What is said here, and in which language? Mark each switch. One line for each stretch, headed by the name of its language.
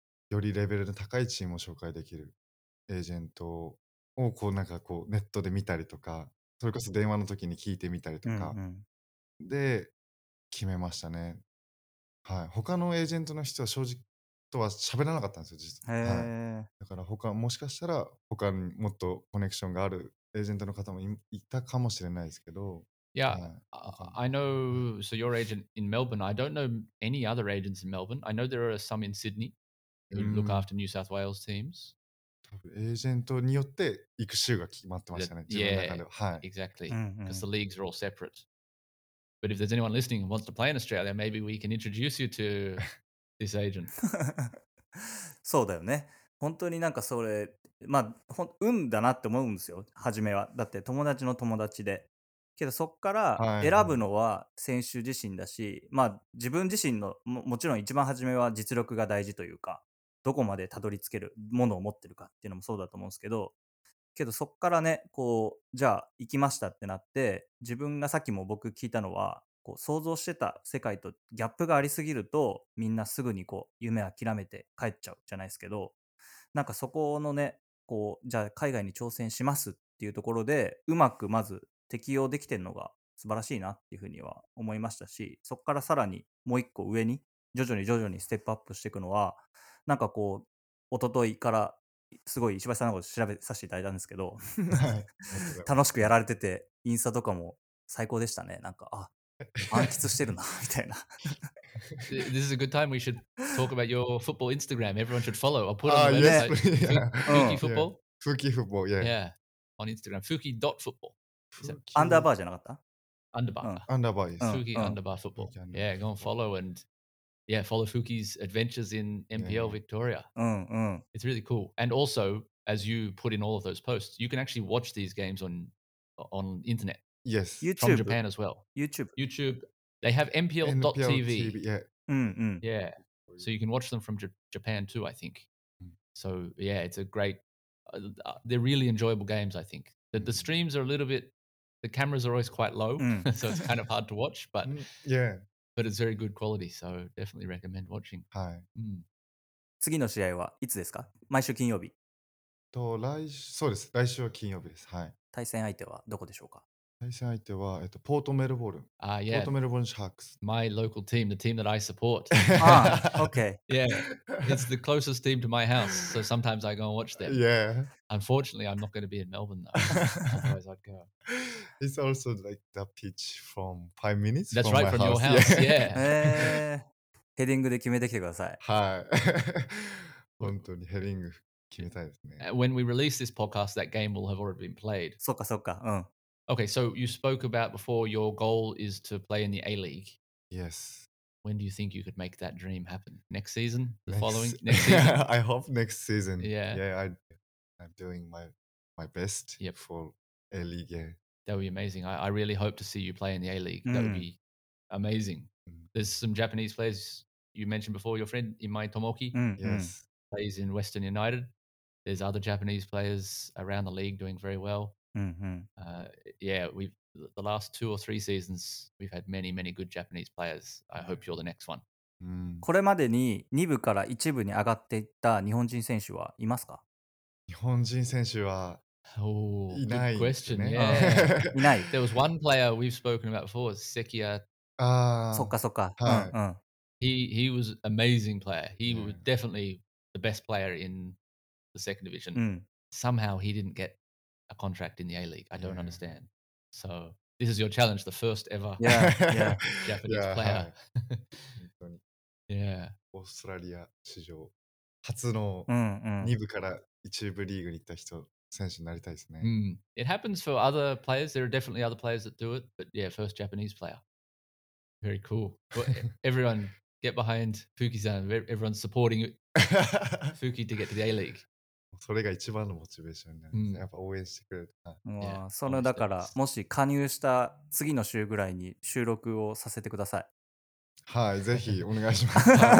Japanese: よりレベルの高いチームを紹介できるエージェントをこうなんかこうネットで見たりとか、それこそ電話の時に聞いてみたりとか、うんうん、で決めましたね、はい、他のエージェントの人は正直とは喋らなかったんですよ実は、はい、だから他もしかしたら他にもっとコネクションがあるエージェントの方も いたかもしれないですけど
English: Yeah,、はい、I know so your agent in Melbourne, I don't know any other agents in Melbourne. I know there are some in Sydney who look after New South Wales teams.
Japanese: 多分エージェントによって行く州が決まってましたね自分の中では、はい、
English: Exactly, because、うん、the leagues are all separate. But if there's anyone listening who wants to play in Australia, maybe we can introduce you to this agent.
Japanese: そうだよね本当になんかそれまあ運だなって思うんですよ初めはだって友達の友達でけどそっから選ぶのは選手自身だし、はいはい、まあ自分自身の もちろん一番初めは実力が大事というかどこまでたどり着けるものを持ってるかっていうのもそうだと思うんですけどけどそっからねこうじゃあ行きましたってなって自分がさっきも僕聞いたのはこう想像してた世界とギャップがありすぎるとみんなすぐにこう夢諦めて帰っちゃうじゃないですけどなんかそこのねこうじゃあ海外に挑戦しますっていうところでうまくまず適用できてるのが素晴らしいなっていうふうには思いましたしそこからさらにもう一個上に徐々に徐々にステップアップしていくのはなんかこう一昨日からすごい石橋さんのこと調べさせていただいたんですけど楽しくやられててインスタとかも最高でしたねなんかあ暗記してるなみたいな
English: This is a good time we should talk about your football Instagram Everyone should follow I'll put it on the website Fuki football Yeah On Instagram Fuki.football
Japanese: アンダーバーじゃなかったアンダーバー、うん、アンダーバーです
English: Fuki underbar football Yeah go and follow and Yeah follow Fuki's adventures in NPL yeah. Victoria yeah. It's really cool And also as you put in all of those posts You can actually watch these games on internet Yes, YouTube. From Japan as well. YouTube. They have NPL.TV. Yeah. Mm-hmm. Yeah. So you can watch them from Japan too, I think. So yeah, it's a great, they're really enjoyable games, I think. The streams are a little bit, the cameras are always quite low, so it's kind of hard to watch, but yeah. But it's very good quality, so definitely recommend watching.
Japanese: はい。次の試合はいつですか? 毎週金曜日。と、来週、そうです。来週は金曜日です。はい。対戦相手はどこでしょうか? 対戦相手は、ポートメルボルン。ポートメルボルンシャークス。
English: My local team, the team that I support. ah, okay. Yeah, it's the closest team to my house, so sometimes I go and watch them. Yeah. Unfortunately, I'm not going to be in Melbourne though. Otherwise, I'd go. It's also like the pitch from 5 minutes. That's from right, my from house. Your house. Yeah.
Japanese: ヘディングで決めてきてください。はい。本当にヘディング決めたいですね。
English: When we release this podcast, that game will have already been played.
Japanese: そうかそうか。うん。
English: Okay, so you spoke about before your goal is to play in the A-League. Yes. When do you think you could make that dream happen? Next season? Next season? I hope next season. Yeah. Yeah, I'm doing my best yep. for A-League. Yeah. That would be amazing. I really hope to see you play in the A-League. Mm. That would be amazing. Mm. There's some Japanese players you mentioned before, your friend Imai Tomoki. Mm. Yes. Mm. Plays in Western United. There's other Japanese players around the league doing very well. Mm-hmm. Yeah, the last two or three seasons, we've had many, many good Japanese players. I hope you're the next one.
Japanese: これまでに2部から1部に上がっていった日本人選手はいますか? 日本人選手はいない。
English: Good question. Yeah.
Japanese: いない。
English: There was one player we've spoken about before, Sekiya.
Japanese: そっかそっか。
English: He was an amazing player. He was definitely the best player in the second division. Somehow he didn't get a contract in the A-League. I don't yeah. understand. So this is your challenge, the first ever Japanese yeah, player. yeah.
Japanese: オーストラリア史上初の2部から1部リーグに行った人、選手になりたいですね。
English: It happens for other players. There are definitely other players that do it. But yeah, first Japanese player. Very cool. Everyone get behind Fuki-san. Everyone's supporting Fuki to get to the A-League.
Japanese: それが一番のモチベーションになるんですね。やっぱ応援してくれる。そのだから、もし加入した次の週ぐらいに収録をさせてください。はい、ぜひお願いします。